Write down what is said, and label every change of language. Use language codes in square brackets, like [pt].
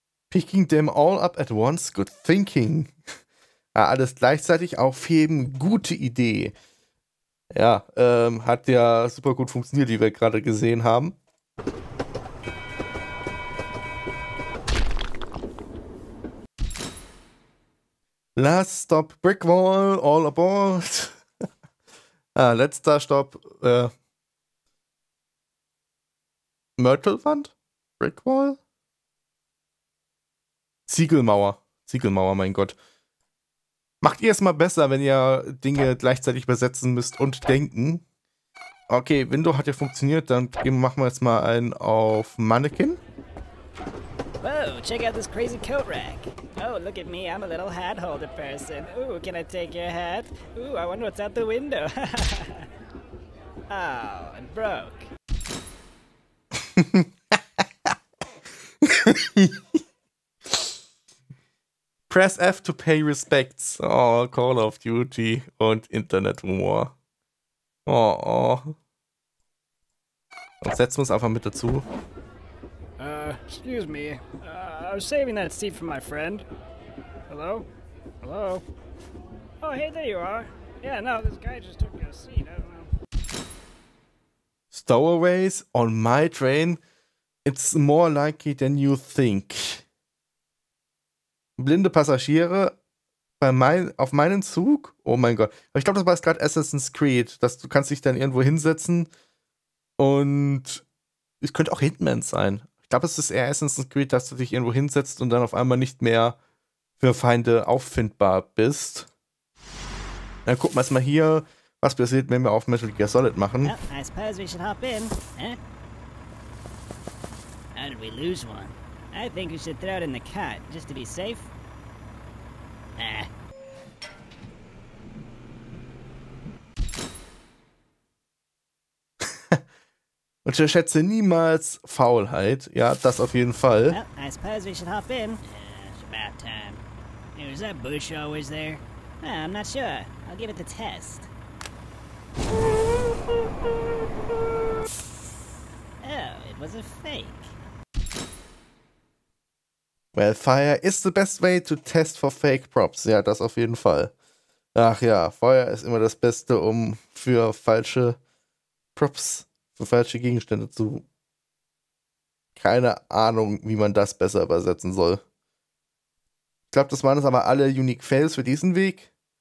[en] Picking them all up at once, good thinking. [de] Ja, alles gleichzeitig aufheben, gute Idee. Ja, hat ja super gut funktioniert, wie wir gerade gesehen haben. [en] Last stop, brick wall, all aboard. [de] Ah, letzter Stopp, Mörtelwand? [en] Brickwall? [de] Ziegelmauer. Ziegelmauer, mein Gott. Macht ihr es mal besser, wenn ihr Dinge gleichzeitig übersetzen müsst und denken. Okay, Window hat ja funktioniert, dann machen wir jetzt mal einen auf Mannequin. [en] Whoa, check out this crazy coat rack. Oh, look at me, I'm a little hat holder person. Ooh, can I take your hat? Ooh, I wonder what's out the window. Oh, I'm broke. Press F to pay respects. Oh, Call of Duty und Internet Humor. Oh, oh. [de] Und setzen wir uns einfach mit dazu. [en] Excuse me. I was saving that seat for my friend. Hello? Hello? Oh, hey, there you are. Yeah, no, this guy just took your seat. I don't know. Stowaways on my train? It's more likely than you think. [de] Blinde Passagiere auf meinen Zug? Oh mein Gott. Ich glaube, das war jetzt gerade Assassin's Creed. Dass du kannst dich dann irgendwo hinsetzen und es könnte auch Hitman sein. Ich glaube, es ist eher Assassin's Creed, dass du dich irgendwo hinsetzt und dann auf einmal nicht mehr für Feinde auffindbar bist. Dann gucken wir erstmal hier, was passiert, wenn wir auf Metal Gear Solid machen. [en] Well, I suppose we should hop in. Huh? How did we lose one? I think we should throw it in the cart, just to be safe. Nah. [de] Unterschätze niemals Faulheit. Ja, das auf jeden Fall. [en] Well, I suppose we should hop in. It's about time. Hey, was that bush always there? Oh, I'm not sure. I'll give it the test. Oh, it was a fake. Well, fire is the best way to test for fake props. [de] Ja, das auf jeden Fall. Ach ja, Feuer ist immer das Beste, um für falsche Props, für falsche Gegenstände zu... Keine Ahnung, wie man das besser übersetzen soll. Ich glaube, das waren jetzt aber alle Unique Fails für diesen Weg.